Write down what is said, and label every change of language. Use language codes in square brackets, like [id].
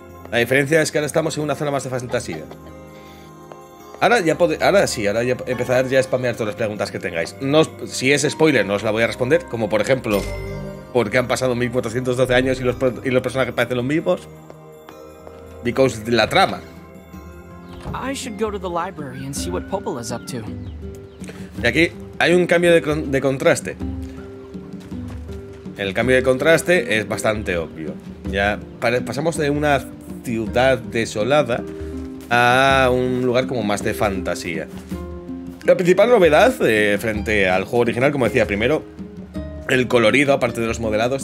[es] La diferencia es que ahora estamos en una zona más de fantasía. Ahora ya empezar ya a spamear todas las preguntas que tengáis. No, si es spoiler, no os la voy a responder, como por ejemplo, ¿por qué han pasado 1412 años y los personajes parecen los mismos? [en] Because [es] de la trama. [en] I should go to the library and see what Popola is up to. [es] Y aquí hay un cambio de contraste. El cambio de contraste es bastante obvio. Ya pasamos de una ciudad desolada a un lugar como más de fantasía. La principal novedad frente al juego original, como decía, primero, el colorido, aparte de los modelados.